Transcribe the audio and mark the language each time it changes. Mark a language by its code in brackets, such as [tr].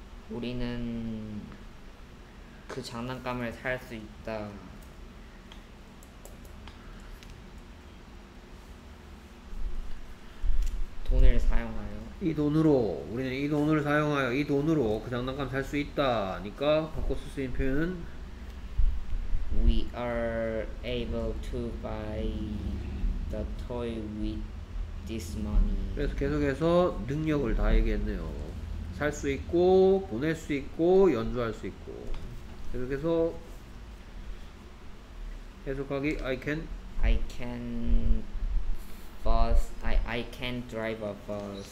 [ko] 우리는 그 장난감을 살 수 있다. 돈을 사용하여. 우리는 이 돈으로 그 장난감 살 수 있다니까 바꿔 쓸 수 있는 표현은 [en] We are able to buy the toy with this money. [ko] 그래서 계속해서 능력을 다하겠네요. 살 수 있고, 보낼 수 있고, 연주할 수 있고. 계속해서 계속하기 [en] I can bus I can drive a bus.